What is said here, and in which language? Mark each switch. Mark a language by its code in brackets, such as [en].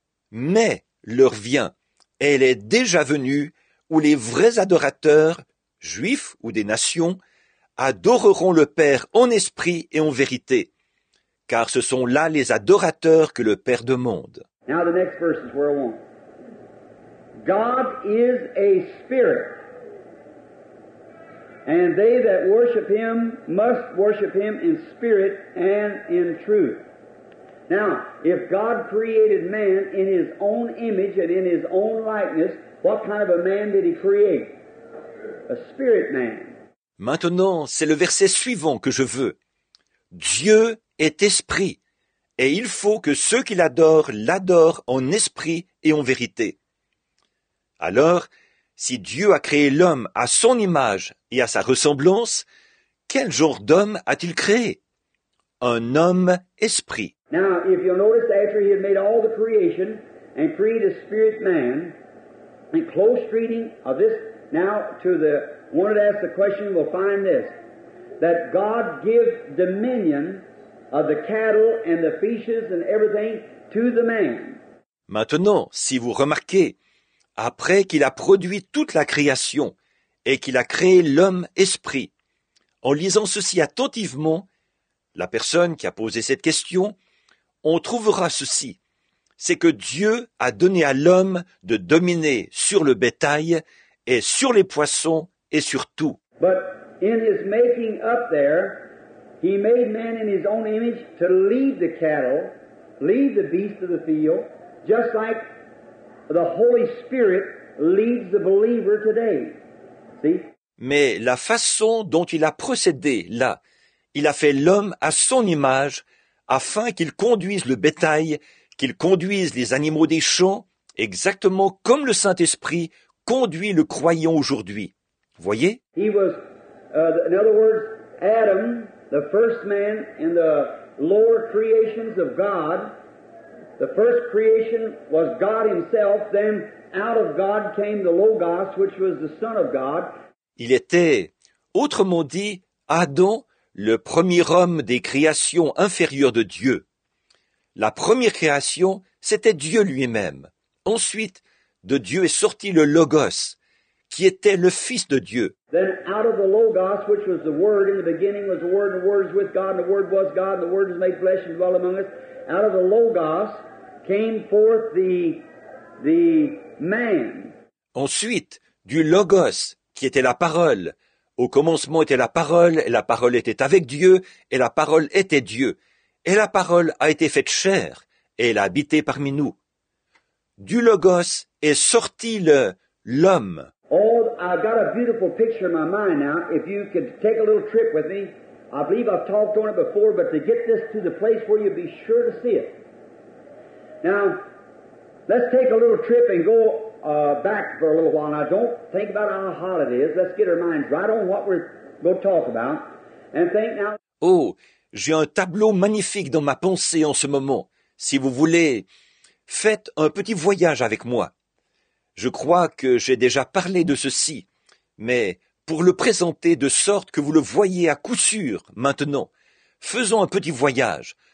[fr] Mais l'heure vient, elle est déjà venue, où les vrais adorateurs, juifs ou des nations, adoreront le Père en esprit et en vérité, car ce sont là les adorateurs que le Père demande. [en] Now the next verse is where I want. God is a spirit, and they that worship him must worship him in spirit and in truth. Now, if God created man in his own image and in his own likeness, what kind of a man did he create? A spirit man. [fr] Maintenant, c'est le verset suivant que je veux. Dieu est esprit, et il faut que ceux qui l'adorent l'adorent en esprit et en vérité. Alors, si Dieu a créé l'homme à son image et à sa ressemblance, quel genre d'homme a-t-il créé? Un homme esprit. [en] Now, if you'll notice, after he had made all the creation and created a spirit man, in close reading of this, now to the one that asked the question, we'll find this, that God gives dominion of the cattle and the fishes and everything to the man. [fr] Maintenant, si vous remarquez, après qu'il a produit toute la création et qu'il a créé l'homme esprit, en lisant ceci attentivement, la personne qui a posé cette question, on trouvera ceci. C'est que Dieu a donné à l'homme de dominer sur le bétail et sur les poissons et sur tout. [en] But in his making up there, he made man in his own image to lead the cattle, lead the beasts of the field, just like the Holy Spirit leads the believer today. See? [fr] Mais la façon dont il a procédé là, il a fait l'homme à son image afin qu'il conduise le bétail, qu'il conduise les animaux des champs, exactement comme le Saint-Esprit conduit le croyant aujourd'hui. Voyez? [en] He was, in other words, Adam, the first man in the lower creations of God. The first creation was God himself, then out of God came the Logos, which was the Son of God. [fr] Il était, autrement dit, Adam, le premier homme des créations inférieures de Dieu. La première création, c'était Dieu lui-même. Ensuite, de Dieu est sorti le Logos, qui était le Fils de Dieu. [en] Then out of the Logos, which was the Word, in the beginning was the Word is with God, and the Word was God, and the Word is made flesh and dwelt among us. Out of the Logos came forth the man. [fr] Ensuite, du Logos, qui était la parole. Au commencement était la parole, et la parole était avec Dieu, et la parole était Dieu. Et la parole a été faite chair, et elle a habité parmi nous. Du Logos est sorti l'homme. [en] Oh, I've got a beautiful picture in my mind now. If you could take a little trip with me, I believe I've talked on it before, but to get this to the place where you'd be sure to see it. Now, let's take a little trip and go back for a little while. Now, don't think about how hot it is. Let's get our minds right on what we're going to talk about. And think now. [fr] Oh, j'ai un tableau magnifique dans ma pensée en ce moment. Si vous voulez, faites un petit voyage avec moi. Je crois que j'ai déjà parlé de ceci, mais pour le présenter de sorte que vous le voyez à coup sûr maintenant, faisons un petit voyage.